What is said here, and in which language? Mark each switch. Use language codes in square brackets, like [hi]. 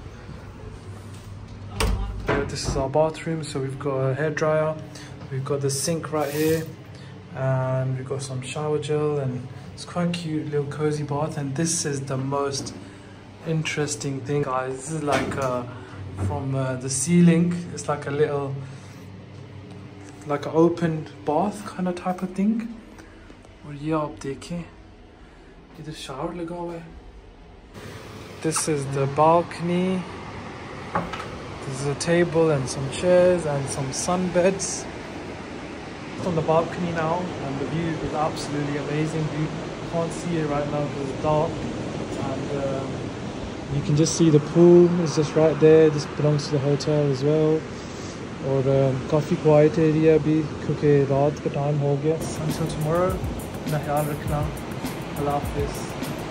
[en] This is our bathroom. So we got a hair dryer, we got the sink right here, and we got some shower gel. And it's quite cute little cosy bath. And this is the most interesting thing guys. This is like from the ceiling, it's like a little, like an open bath kind of type of thing. [hi] Aur ye aap dekhe, ye the shower laga hua hai. [en] This is the balcony. There's a table and some chairs and some sun beds on the balcony now, and the view is absolutely amazing. You can't see it right now because it's dark, and you can just see the pool is just right there. This belongs to the hotel as well. [hi] और काफ़ी quite area भी क्योंकि रात का time हो गया। [en] until tomorrow, [hi] अपना ख्याल रखना। अल्लाह हाफिज़।